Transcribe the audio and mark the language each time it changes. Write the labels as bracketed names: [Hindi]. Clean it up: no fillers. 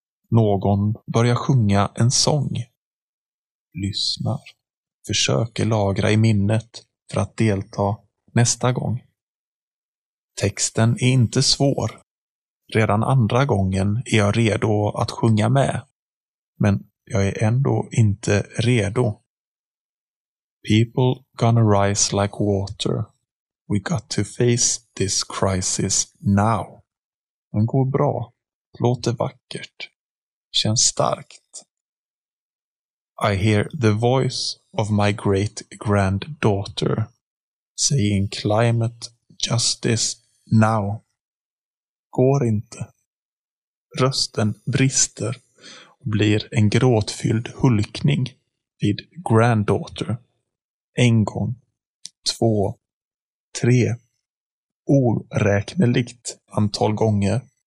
[Swedish] Någon börjar sjunga en sång. Lyssnar, försöker lagra i minnet för att delta nästa gång. Texten är inte svår. Redan andra gången är jag redo att sjunga med, men jag är ändå inte redo. [English] People gonna rise like water. We got to face this crisis now. [Swedish] Den går bra. Låter vackert. Känns starkt. [English] I hear the voice of my great granddaughter saying climate justice now. [Swedish] Går inte. Rösten brister och blir en gråtfylld hulkning vid granddaughter. En gång, två, tre, oräkneligt antal gånger.